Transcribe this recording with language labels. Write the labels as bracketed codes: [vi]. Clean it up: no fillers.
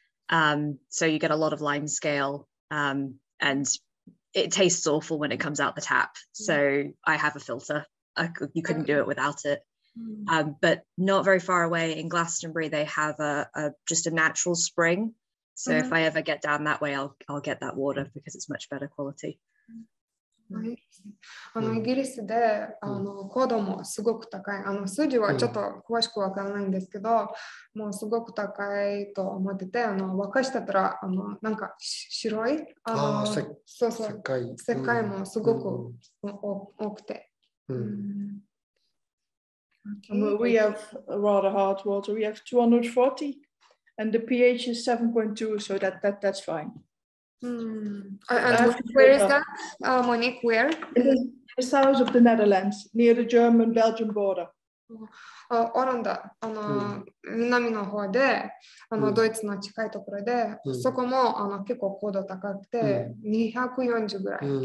[en] So you get a lot of lime scale, and it tastes awful when it comes out the tap. So I have a filter. you couldn't do it without it. But not very far away in Glastonbury, they have a just a natural spring. So if I ever get down that way, I'll get that water because it's much better quality. [ja] あのイギリスであの高度もすごく高いあの数字はちょっと詳しくわからないんですけど、うん、もうすごく高いと思っててあの沸かしてたらあのなんか白いあのあそうそう世界もすごく、うん、多くて、 [en] うん okay. We have rather hard water. We have 240 and the pH is 7.2 so that's fine. Where is that, Monique? Where? In the south of the Netherlands, near the German-Belgian border. [ja] オランダ、南の方で、ドイツの近いところで、そこも結構高度高くて、240ぐらい。